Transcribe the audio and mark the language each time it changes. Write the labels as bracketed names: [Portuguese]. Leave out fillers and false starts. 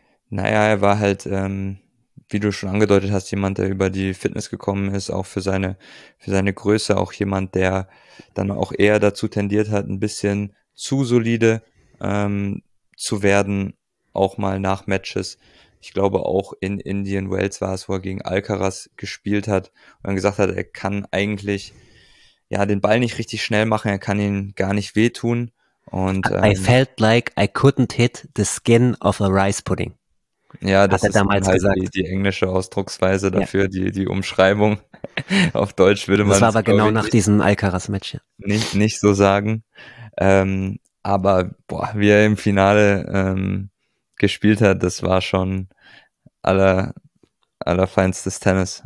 [German] Naja, er war halt, wie du schon angedeutet hast, jemand, der über die Fitness gekommen ist, auch für seine Größe, auch jemand, der dann auch eher dazu tendiert hat, ein bisschen zu solide zu werden, auch mal nach Matches. Ich glaube, auch in Indian Wells war es, wo er gegen Alcaraz gespielt hat und dann gesagt hat, er kann eigentlich ja den Ball nicht richtig schnell machen, er kann ihn gar nicht wehtun. Und, [English] I felt like I couldn't hit the skin of a rice pudding. [German] Ja, das ist damals halt gesagt. Die englische Ausdrucksweise dafür, ja. die Umschreibung. Auf Deutsch würde man das war aber genau nach diesem Alcaraz-Match. Nicht so sagen. Aber boah, wie er im Finale gespielt hat, das war schon allerfeinstes Tennis.